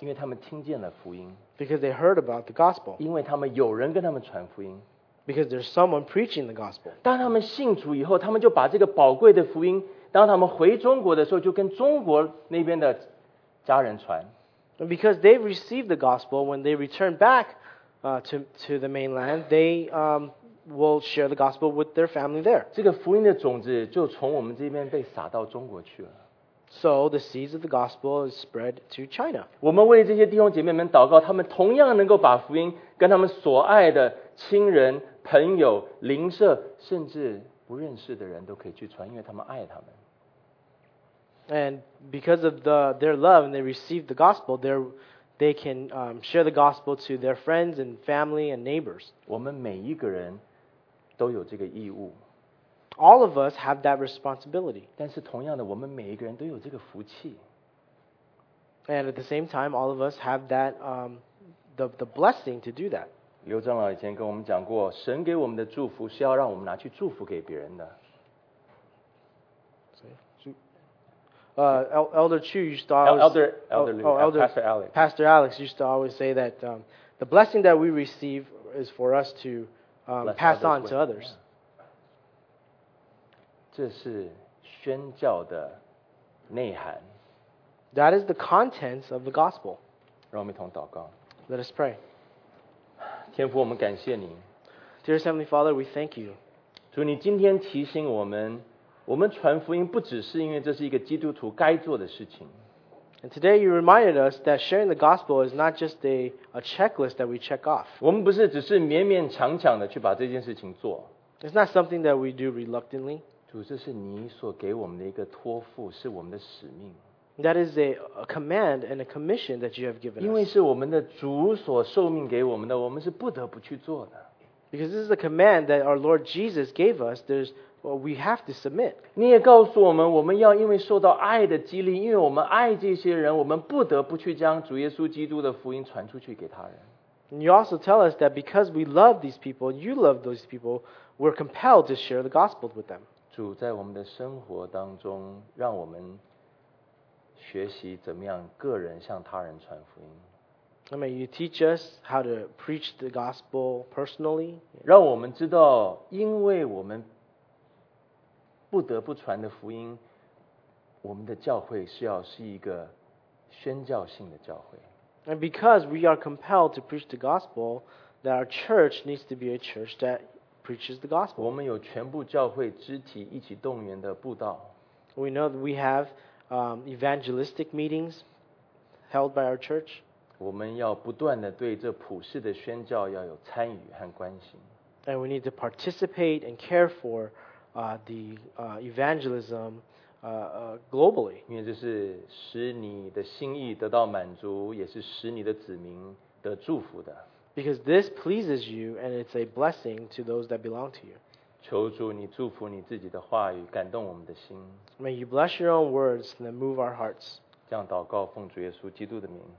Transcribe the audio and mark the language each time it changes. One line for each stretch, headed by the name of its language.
Chinese: 因为他们听见了福音。
English: Because they heard about the gospel.
Chinese: 因为他们有人跟他们传福音。
English: Because there's someone preaching the gospel.
Chinese: 当他们信主以后，他们就把这个宝贵的福音，当他们回中国的时候，就跟中国那边的家人传。
English: And because they received the gospel, when they return back to the mainland, they will share the gospel with their family there.
Chinese: 这个福音的种子就从我们这边被撒到中国去了。
English: So the seeds of the gospel is spread to China.
Chinese: 我们为这些弟兄姐妹们祷告，他们同样能够把福音跟他们所爱的亲人、朋友、邻舍，甚至不认识的人都可以去传，因为他们爱他们。
English: And because of their love and they receive the gospel, they can share the gospel to their friends and family and neighbors.
Chinese: 我们每一个人都有这个义务。
English: All of us have that responsibility.
Chinese: 但是同样的，我们每一个人都有这个福气。
English: And at the same time, all of us have that the blessing to do that.
Chinese: 刘长老以前跟我们讲过，神给我们的祝福是要让我们拿去祝福给别人的。
English: Elder Chu used to always Pastor Alex used to always say that the blessing that we receive is for us to pass on to others.
Chinese: 这是宣教的内涵。
English: That is the contents of the gospel.
Chinese: 让我们一同祷告。
English: Let us pray.
Chinese: 天父，我们感谢你。
English: Dear Heavenly Father, we thank you.
Chinese: 主，你今天提醒我们，我们传福音不只是因为这是一个基督徒该做的事情。
English: And today you reminded us that sharing the gospel is not just a checklist that we check off.
Chinese: 我们不是只是勉勉强强的去把这件事情做。
English: It's not something that we do reluctantly.
Chinese: 主，这是你所给我们的一个托付，是我们的使命。
English: That is a command and a commission that you have given us.
Chinese: 因为是我们的主所受命给我们的，我们是不得不去做的。
English: Because this is a command that our Lord Jesus gave us, there's Well, we have to submit.
Chinese: 你也告诉我们，我们要因为受到爱的激励，因为我们爱这些人，我们不得不去将主耶稣基督的福音传出去给他人。
English: And you also tell us that because we love these people, you love those people, we're compelled to share the gospel with them.
Chinese: 主在我们的生活当中，让我们学习怎么样个人向他人传福音。
English: May you teach us how to preach the gospel personally.
Chinese: 让我们知道，因为我们不得不传的福音，我们的教会是要是一个宣教性的教会。
English: And because we are compelled to preach the gospel, that our church needs to be a church that preaches the gospel.
Chinese: 我们有全部教会肢体一起动员的布道。
English: We know that we have evangelistic meetings held by our church.
Chinese: 我们要不断的对这普世的宣教要有参与和关心。
English: And we need to participate and care for evangelism. Globally,
Chinese: 因为这是使你的心意得到满足，也是使你的子民得祝福的。
English: Because this pleases you, and it's a blessing to those that belong to you.
Chinese: 求主你祝福你自己的话语，感动我们的心。
English: May you bless your own words and move our hearts.
Chinese: 这样祷告，奉主耶稣基督的名。